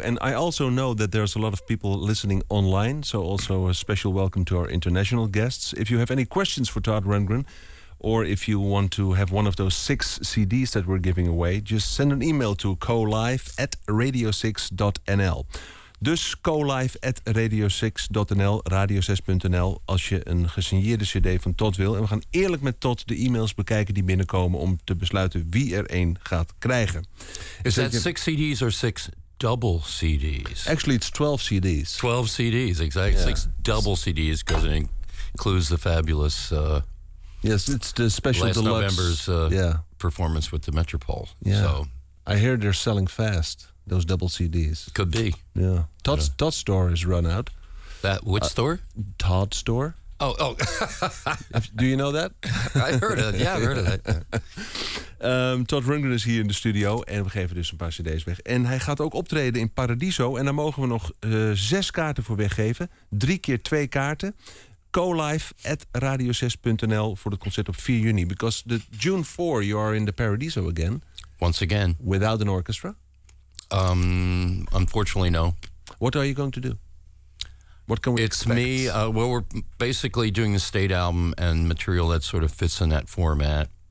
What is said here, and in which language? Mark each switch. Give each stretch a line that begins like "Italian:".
English: And I also know that there's a lot of people listening online. So also a special welcome to our international guests. If you have any questions for Todd Rundgren, or if you want to have one of those six CDs that we're giving away, just send an email to colife@radio6.nl.
Dutch: Dus colife@radio6.nl, radio6.nl, als je een gesigneerde cd van Todd wil. En we gaan eerlijk met Todd de e-mails bekijken die binnenkomen om te besluiten wie er een gaat krijgen.
English: Is dat six CDs or six double CDs? Actually, it's 12 CDs. 12 CDs, exactly. Yeah. Six double CDs, because it includes the fabulous... Yes, it's the special last deluxe... Last November's performance with the Metropole. Yeah. So. I hear they're selling fast. Those double CDs. Could be. Yeah. Todd's store has run out. That which store? Todd's store. Oh. Do you know that? I heard it. Yeah, I heard it.
Dutch: Todd Rundgren is hier in de studio en we geven dus een paar cd's weg. En hij gaat ook optreden in Paradiso en daar mogen we nog 6 kaarten voor weggeven. 3 keer 2 kaarten. colife@radio6.nl voor het concert op 4 juni.
English: Because the June 4, you are in the Paradiso again. Once again. Without an orchestra. Unfortunately, no. What are you going to do? What can we it's expect? It's me. Well, we're basically doing the State album and material that sort of fits in that format.